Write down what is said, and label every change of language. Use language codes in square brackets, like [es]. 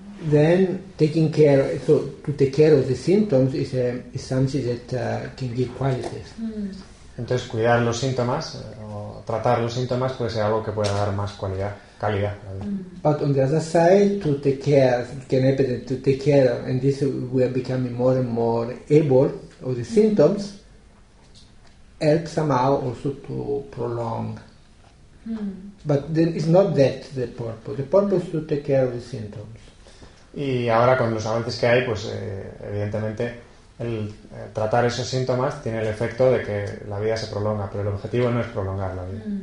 [en] Then taking care, so to take care of the symptoms is something that can give qualities. [es] Entonces cuidar los síntomas o tratar los síntomas puede ser algo que pueda dar más calidad. [en] But on the other side, to take care can happen to take care, and this we are becoming more and more able of the symptoms, help somehow also to prolong. But then it's not that the purpose. The purpose is to take care of the symptoms. [es] Y ahora, con los avances que hay, pues evidentemente el tratar esos síntomas tiene el efecto de que la vida se prolonga, pero el objetivo no es prolongar la vida.